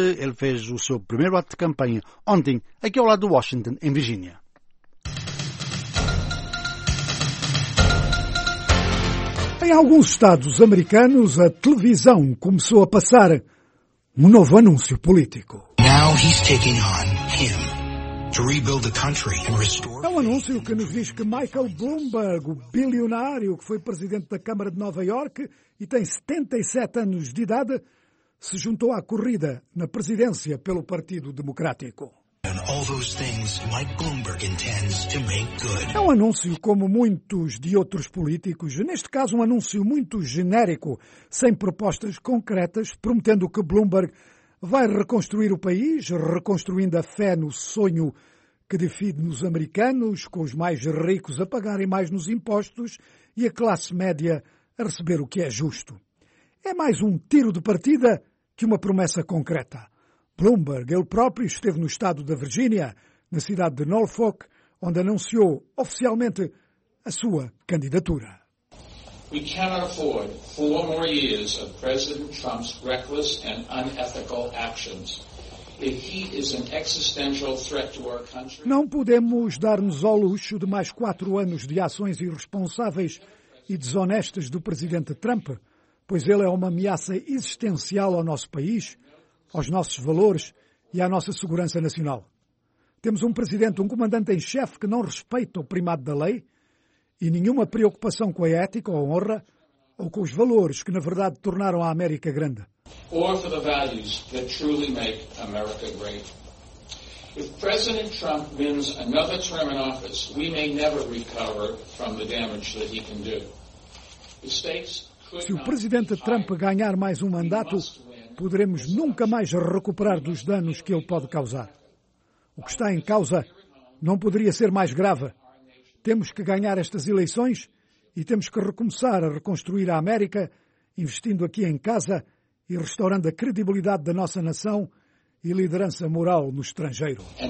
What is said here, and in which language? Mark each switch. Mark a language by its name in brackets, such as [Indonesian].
[Portuguese] Ele fez o seu primeiro ato de campanha ontem, aqui ao lado de Washington, em Virgínia. Em alguns estados americanos, a televisão começou a passar um novo anúncio político. [English] Now he's taking on him to rebuild the country and restore... [Portuguese] É um anúncio que nos diz que Michael Bloomberg, o bilionário que foi presidente da Câmara de Nova York e tem 77 anos de idade, se juntou à corrida na presidência pelo Partido Democrático. [English] And all those things Mike Bloomberg intends to make good. [Portuguese] É um anúncio como muitos de outros políticos, neste caso um anúncio muito genérico, sem propostas concretas, prometendo que Bloomberg vai reconstruir o país, reconstruindo a fé no sonho que divide nos americanos, com os mais ricos a pagarem mais nos impostos e a classe média a receber o que é justo. É mais um tiro de partida que uma promessa concreta. Bloomberg, ele próprio, esteve no estado da Virgínia, na cidade de Norfolk, onde anunciou oficialmente a sua candidatura. [English] We cannot afford four more years of President Trump's reckless and unethical actions. If he is an existential threat to our country... [Portuguese] Não podemos dar-nos ao luxo de mais quatro anos de ações irresponsáveis e desonestas do presidente Trump, pois ele é uma ameaça existencial ao nosso país, aos nossos valores e à nossa segurança nacional. Temos um presidente, um comandante em chefe que não respeita o primado da lei e nenhuma preocupação com a ética ou a honra ou com os valores que, na verdade, tornaram a América grande. [English] Or for the values that truly make America great. If President Trump wins another term in office, we may never recover from the damage that he can do. The stakes could... [Portuguese] Se o presidente Trump ganhar mais um mandato, poderemos nunca mais recuperar dos danos que ele pode causar. O que está em causa não poderia ser mais grave. Temos que ganhar estas eleições e temos que recomeçar a reconstruir a América, investindo aqui em casa e restaurando a credibilidade da nossa nação e liderança moral no estrangeiro.